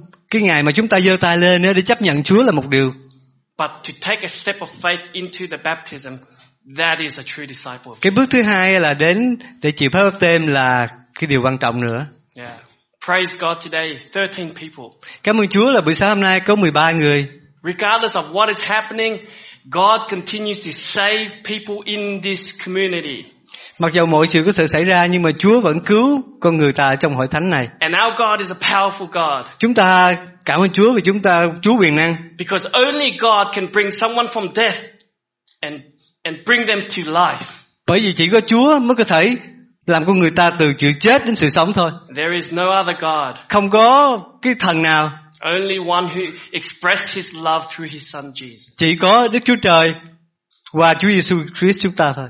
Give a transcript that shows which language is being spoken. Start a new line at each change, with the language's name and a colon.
Vietnamese: Cái ngày mà chúng ta giơ tay lên để chấp nhận Chúa là một điều.
English: But to take a step of faith into the baptism, that is a true disciple.
Vietnamese: Cái bước thứ hai là đến để chịu phép báp têm là cái điều quan trọng nữa.
English: Yeah. Praise God today, 13 people.
Vietnamese: Cảm ơn Chúa là buổi sáng hôm nay có 13 người.
English: Regardless of what is happening, God continues to save people in this community.
Vietnamese: Mặc dù mọi sự có thể xảy ra nhưng mà Chúa vẫn cứu con người ta trong hội thánh này.
English: And our God is a powerful God.
Vietnamese: Chúng ta cảm ơn Chúa vì chúng ta Chúa quyền năng.
English: Because only God can bring someone from death and bring them to life.
Vietnamese: Bởi vì chỉ có Chúa mới có thể làm con người ta từ chữ chết đến sự sống thôi.
English: There is no other God.
Vietnamese: Không có cái thần nào.
English: Only one who expressed his love through his son Jesus.
Vietnamese: Chỉ có Đức Chúa Trời qua Chúa Giêsu Christ chúng ta thôi.